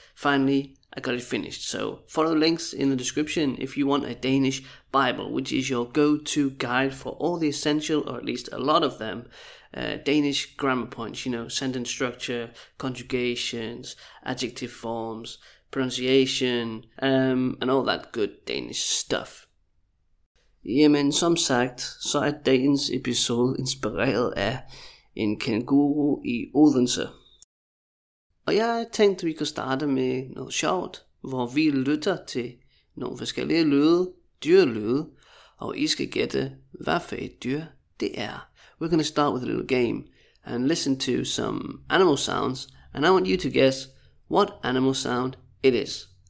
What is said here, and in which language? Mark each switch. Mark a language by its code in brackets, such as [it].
[en] Finally, I got it finished. So, follow the links in the description if you want a Danish Bible, which is your go-to guide for all the essential, or at least a lot of them, Danish grammar points, you know, sentence structure, conjugations, adjective forms, pronunciation, and all that good Danish stuff. [da] Jamen, som sagt, så er dagens episode inspireret af en kenguru i Odense. Og jeg tænkte, at vi kunne starte med noget sjovt, hvor vi lytter til nogle forskellige lyde, dyrelyde, og I skal gætte, hvad for et dyr det er. [en] We're gonna start with a little game and listen to some animal sounds, and I want you to guess what animal sound it is.